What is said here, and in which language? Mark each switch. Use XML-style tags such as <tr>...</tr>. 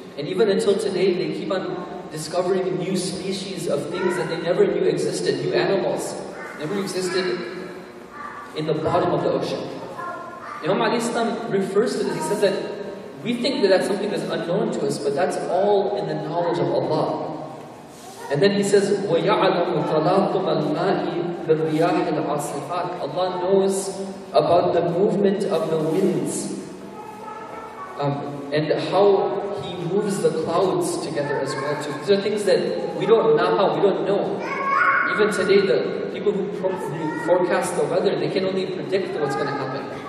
<en>And even until today, they keep on discovering new species of things that they never knew existed. New animals never existed in the bottom of the ocean. Imam Ali Islam refers to this. He says that we think that that's something that's unknown to us, but that's all in the knowledge of Allah. And then he says,</en> <ar>وَيَعْلَمُ تَلَاقُمَ الْمَاءِ بِالرِّيَاحِ الْعَاصِفَاتِ.</ar> <en>Allah knows about the movement of the winds and how he moves the clouds together as well too. These are things that we don't know how, we don't know. Even today, the people who forecast the weather, they can only predict what's going to happen.</en>